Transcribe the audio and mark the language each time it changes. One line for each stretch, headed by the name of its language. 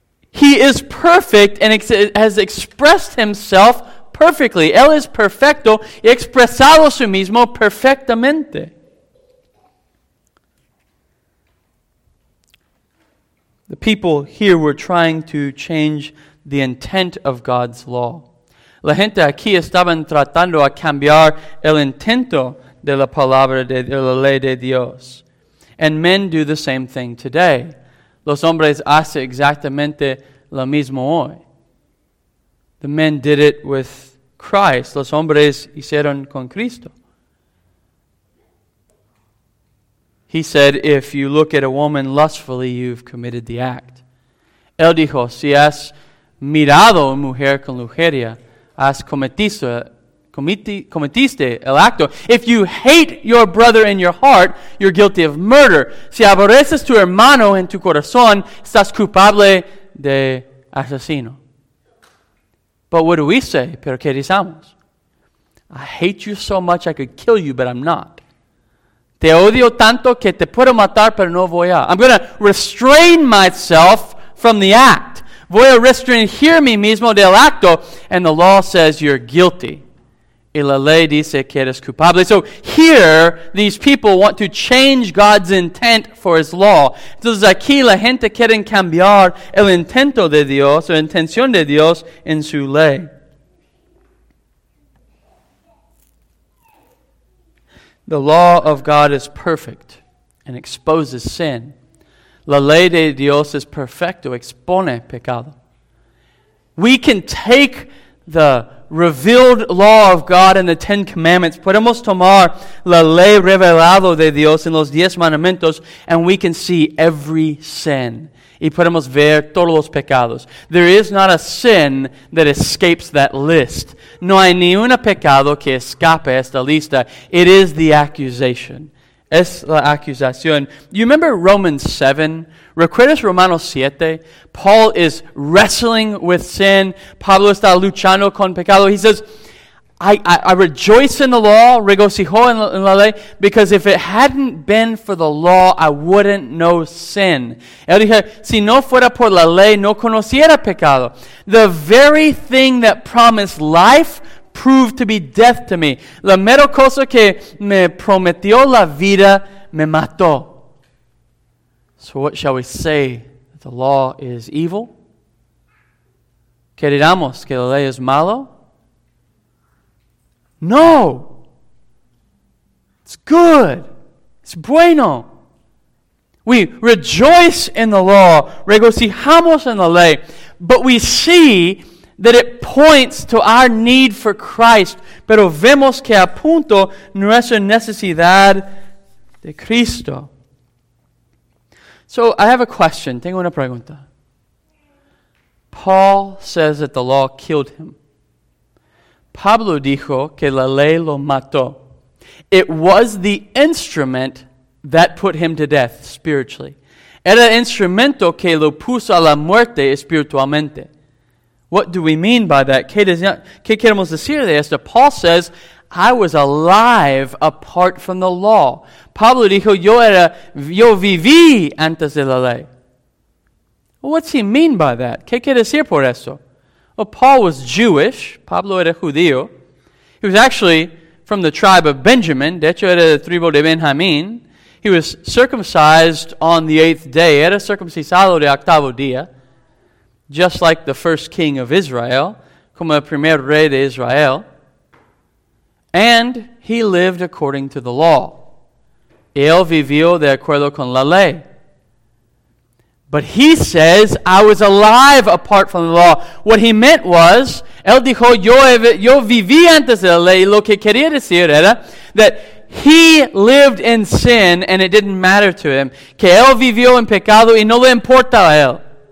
English: He is perfect and has expressed himself perfectly.
Spanish: Él es perfecto y expresado su mismo perfectamente.
English: The people here were trying to change the intent of God's law.
Spanish: La gente aquí estaban tratando a cambiar el intento de la palabra de la ley de Dios.
English: And men do the same thing today.
Spanish: Los hombres hacen exactamente lo mismo hoy.
English: The men did it with Christ.
Spanish: Los hombres hicieron con Cristo.
English: He said, if you look at a woman lustfully, you've committed the act.
Spanish: Él dijo, si has mirado a mujer con lujuria, has cometiste el acto.
English: If you hate your brother in your heart, you're guilty of murder.
Spanish: Si aborreces tu hermano en tu corazón, estás culpable de asesino.
English: But what do we say?
Spanish: ¿Pero qué decimos?
English: I hate you so much I could kill you, but I'm not.
Spanish: Te odio tanto que te puedo matar, pero no voy a.
English: I'm going to restrain myself from the act.
Spanish: Voy a restringir mi mismo del acto.
English: And the law says you're guilty.
Spanish: Y la ley dice que eres culpable.
English: So here, these people want to change God's intent for his law.
Spanish: Entonces aquí la gente quiere cambiar el intento de Dios, o intención de Dios, en su ley.
English: The law of God is perfect and exposes sin.
Spanish: La ley de Dios es perfecto, expone pecado.
English: We can take the revealed law of God in the Ten Commandments.
Spanish: Podemos tomar la ley revelado de Dios en los diez mandamientos,
English: and we can see every sin.
Spanish: Y podemos ver todos los pecados.
English: There is not a sin that escapes that list.
Spanish: No hay ni un pecado que escape esta lista.
English: It is the accusation.
Spanish: Es la acusación.
English: You remember Romans 7?
Spanish: ¿Recuerdas Romanos 7?
English: Paul is wrestling with sin.
Spanish: Pablo está luchando con pecado.
English: He says, I rejoice in the law,
Spanish: regocijo en la ley,
English: because if it hadn't been for the law, I wouldn't know sin.
Spanish: Él dijo, si no fuera por la ley, no conociera pecado.
English: The very thing that promised life proved to be death to me.
Spanish: La mera cosa que me prometió la vida me mató.
English: So what shall we say? The law is evil?
Spanish: ¿Qué diramos? ¿Que la ley es malo?
English: No! It's good. It's
Spanish: bueno.
English: We rejoice in the law,
Spanish: regocijamos en la ley,
English: but we see that it points to our need for Christ.
Spanish: Pero vemos que apunta nuestra necesidad de Cristo.
English: So I have a question.
Spanish: Tengo una pregunta.
English: Paul says that the law killed him.
Spanish: Pablo dijo que la ley lo mató.
English: It was the instrument that put him to death spiritually.
Spanish: Era el instrumento que lo puso a la muerte espiritualmente.
English: What do we mean by that?
Spanish: ¿Qué queremos decir de esto?
English: Paul says, I was alive apart from the law.
Spanish: Pablo dijo, yo viví antes de la ley.
English: What's he mean by that?
Spanish: ¿Qué quiere decir por eso?
English: Well, Paul was Jewish.
Spanish: Pablo era judío.
English: He was actually from the tribe of Benjamin.
Spanish: De hecho, era de tribu de Benjamín.
English: He was circumcised on the eighth day.
Spanish: Era circuncisado de octavo día.
English: Just like the first king of Israel.
Spanish: Como el primer rey de Israel.
English: And he lived according to the law.
Spanish: Él vivió de acuerdo con la ley.
English: But he says, I was alive apart from the law. What he meant was,
Spanish: él dijo, yo viví antes de la ley. Lo que quería decir era
English: that he lived in sin and it didn't matter to him.
Spanish: Que él vivió en pecado y no le importa a él.